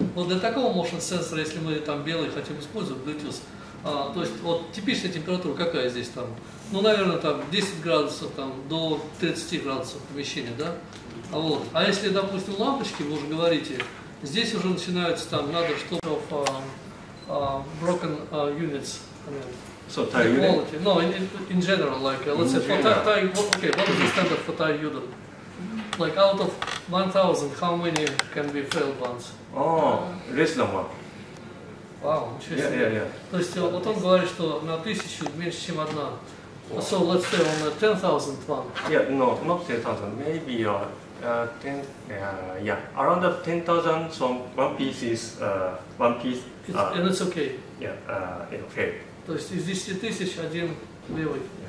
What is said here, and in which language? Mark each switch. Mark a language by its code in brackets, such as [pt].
[ru] Вот для такого motion sensor, если мы там белый хотим использовать, Bluetooth, то есть, вот типичная температура какая здесь там? Ну, наверное, там 10 градусов, там, до 30 градусов помещения, да? Вот. А если, допустим, лампочки, вы уже говорите, здесь уже начинаются, там, надо что-то в [en] broken units, So Thai unit? No, in general, like, let's say, what is the standard for Thai unit? Like, out of 1,000, how many can be failed ones? Less than one. Wow, interesting. Yeah. [ru] То есть, вот он говорит, что на 1,000 меньше, чем одна. [en] Wow. So, let's say, on a 10,000 one. Yeah, no, not 10,000, maybe around 10,000, so one piece. And it's okay. Yeah, it'll fail. [ru] То есть из 10 тысяч один левый.